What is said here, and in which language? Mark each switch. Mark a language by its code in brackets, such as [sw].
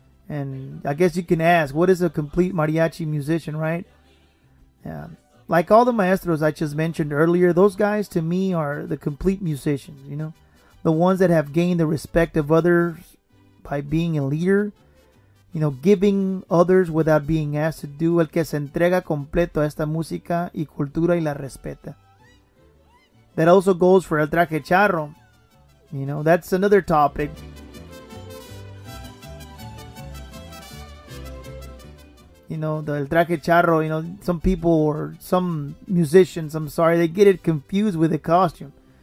[en] And I guess you can ask, what is a complete mariachi musician, right? Yeah. Like all the maestros I just mentioned earlier, those guys to me are the complete musicians, you know, the ones that have gained the respect of others by being a leader, you know, giving others without being asked to do. [es] El que se entrega completo a esta música y cultura y la respeta. [en] That also goes for el traje charro. You know, that's another topic. You know, the el traje charro, you know, some people or some musicians, I'm sorry, they get it confused with the costume.